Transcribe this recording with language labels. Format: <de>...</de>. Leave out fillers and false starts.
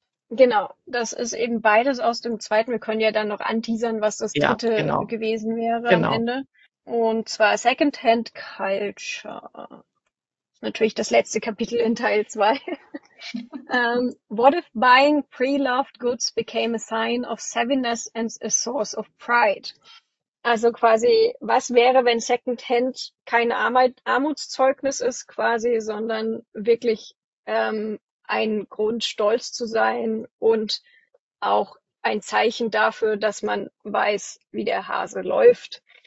<de>Genau, das ist eben beides aus dem zweiten. Wir können ja dann noch anteasern, was das Ja, dritte gewesen wäre am genau. Ende. Und zwar Second-Hand-Culture. Natürlich das letzte Kapitel in Teil 2.</de> <en>What if buying pre-loved goods became a sign of savviness and a source of pride?</en> <de>Also quasi, was wäre, wenn Secondhand kein Armutszeugnis ist, quasi, sondern wirklich ein Grund, stolz zu sein und auch ein Zeichen dafür, dass man weiß, wie der Hase läuft.</de>